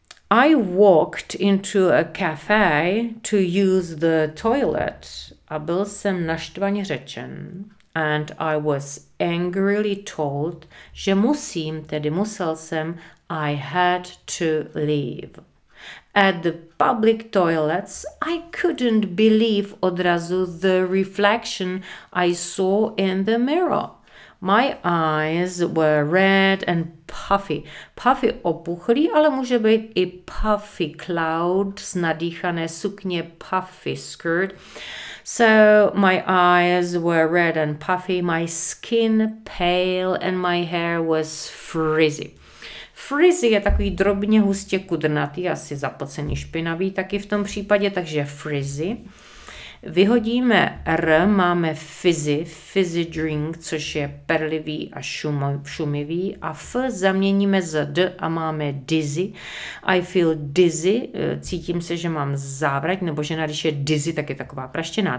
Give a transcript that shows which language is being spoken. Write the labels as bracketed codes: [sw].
[en] I walked into a cafe to use the toilet. [cs] A byl jsem naštvaně řečen. [en] And I was angrily told, [cs] že musím, tedy musel jsem, [en] I had to leave. At the public toilets, I couldn't believe [cs] odrazu [en] the reflection I saw in the mirror. My eyes were red and puffy. [cs] Puffy opuchlý, ale může být i [en] puffy cloud, [cs] s nadýchané sukně, [en] puffy skirt. So my eyes were red and puffy, my skin pale and my hair was frizzy. [cs] Frizzy je takový drobně hustě kudrnatý, asi zapocený špinavý taky v tom případě, takže frizzy. Vyhodíme R, máme fizzy drink, což je perlivý a šumivý. A F zaměníme za D a máme dizzy. [en] I feel dizzy, [cs] cítím se, že mám závrať, nebo že když je dizzy, tak je taková praštěná.